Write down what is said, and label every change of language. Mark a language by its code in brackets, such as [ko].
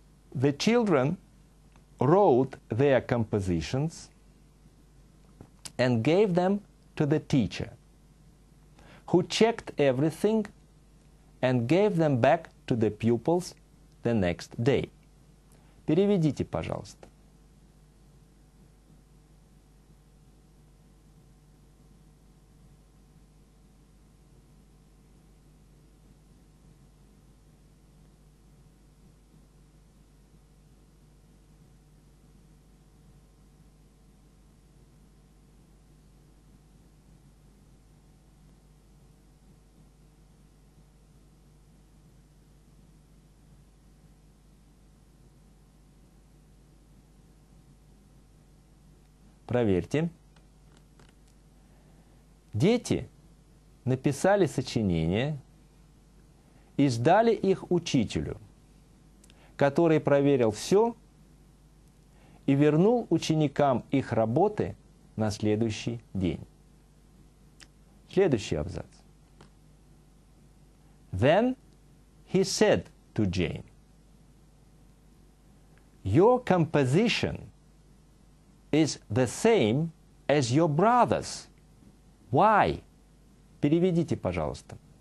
[en] The children wrote their compositions and gave them to the teacher, who checked everything and gave them back to the pupils the next day. [ru] Переведите, пожалуйста. Проверьте. Дети написали сочинение и сдали их учителю, который проверил все и вернул ученикам их работы на следующий день. Следующий абзац. [en] Then he said to Jane, Your composition is the same as your brother's. Why? [ru] Переведите, пожалуйста.